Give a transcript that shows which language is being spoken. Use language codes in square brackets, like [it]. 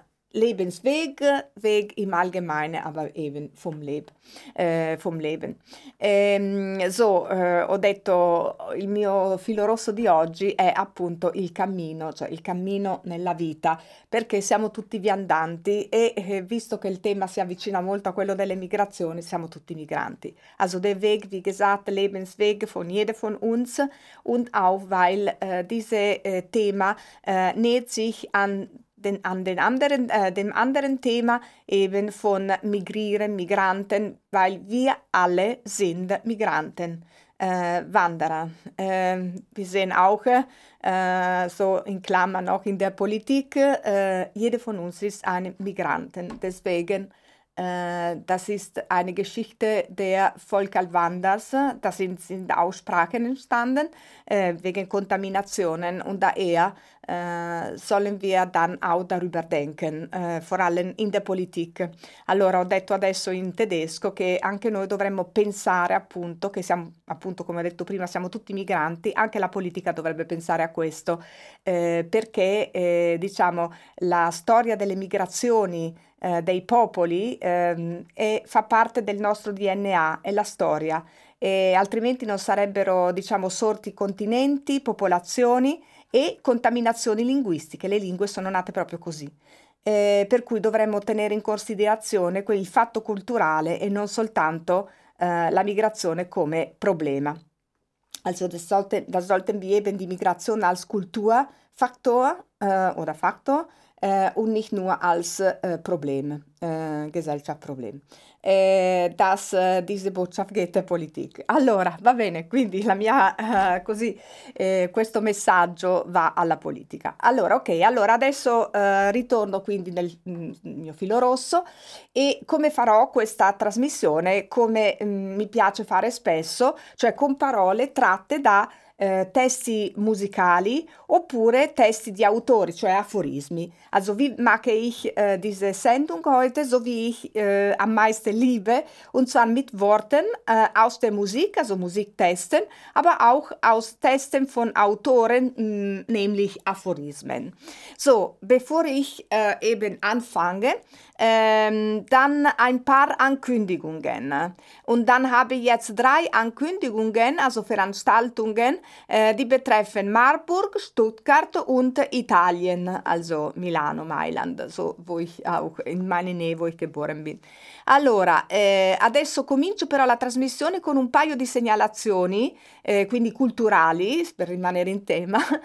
[de] Lebensweg, Weg im Allgemeinen, aber eben vom Leben. [it] Ho detto, il mio filo rosso di oggi è appunto il cammino, cioè il cammino nella vita, perché siamo tutti viandanti e visto che il tema si avvicina molto a quello delle migrazioni, siamo tutti migranti. [de] Also der Weg, wie gesagt, Lebensweg von jeder von uns und auch weil dieses Thema näht sich an den anderen Thema eben von Migrieren, Migranten, weil wir alle sind Migranten, Wanderer. Wir sehen auch, so in Klammern auch in der Politik, jeder von uns ist ein Migranten. Deswegen, das ist eine Geschichte der Völkerwanders, da sind Aussprachen entstanden, wegen Kontaminationen und daher sollen wir dann auch darüber denken, vor allem in der Politik. [it] Allora, ho detto adesso in tedesco che anche noi dovremmo pensare appunto, che siamo appunto come ho detto prima, siamo tutti migranti, anche la politica dovrebbe pensare a questo, perché diciamo la storia delle migrazioni dei popoli fa parte del nostro DNA, è la storia, e altrimenti non sarebbero diciamo sorti continenti, popolazioni e contaminazioni linguistiche, le lingue sono nate proprio così, per cui dovremmo tenere in considerazione quel fatto culturale e non soltanto la migrazione come problema. [de] Also das sollten wir eben die Migration als Kulturfaktor oder Faktor und nicht nur als Problem, Gesellschaftsproblem. Das diese Botschaft geht der Politik. [it] Allora, va bene, quindi la mia così questo messaggio va alla politica. Allora, ok, allora adesso ritorno quindi nel mio filo rosso e come farò questa trasmissione, come mi piace fare spesso, cioè con parole tratte da testi musicali oppure testi di autori, cioè aforismi. [de] Also wie mache ich diese Sendung heute, so wie ich am meisten liebe, und zwar mit Worten aus der Musik, also Musiktesten, aber auch aus Testen von Autoren, nämlich Aphorismen. So, bevor ich eben anfange, dann ein paar Ankündigungen. Und dann habe ich jetzt drei Ankündigungen, also Veranstaltungen, die betreffen Marburg, Stuttgart und Italien, also Milano, Mailand, so wo ich auch in meine Nähe, wo ich geboren bin. [it] Allora, adesso comincio però la trasmissione con un paio di segnalazioni, quindi culturali, per rimanere in tema.